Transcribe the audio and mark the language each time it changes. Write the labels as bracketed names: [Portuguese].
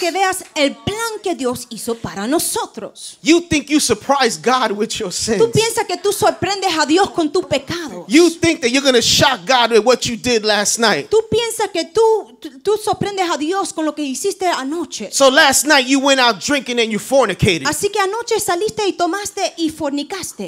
[Spanish] Que veas el plan que Dios hizo para nosotros. [English] You think you surprise God with your sins. [Spanish] Tú piensas que tú sorprendes a Dios con tus pecados. [English] You think that you're going to shock God with what you did last night. [Spanish] Tú piensas que tú sorprendes a Dios con lo que hiciste anoche. [English] So last night you went out drinking and you fornicated. [Spanish] Así que anoche saliste y tomaste y fornicaste.